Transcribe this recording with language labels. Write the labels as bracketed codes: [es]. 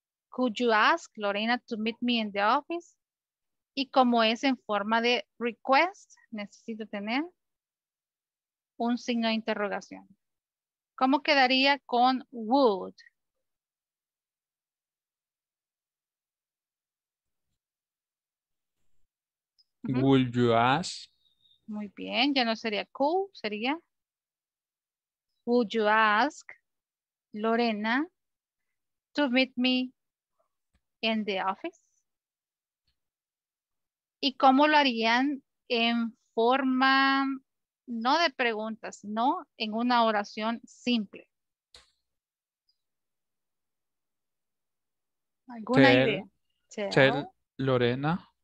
[en] Could you ask Lorena to meet me in the office? [es] Y como es en forma de request, necesito tener un signo de interrogación. ¿Cómo quedaría con would? [en] Would you ask? [es] Muy bien, ya no sería cool, sería. [en] Would you ask Lorena to meet me in the office? [es] ¿Y cómo lo harían en forma no de preguntas, sino en una oración simple? ¿Alguna idea? [en] Tell Lorena.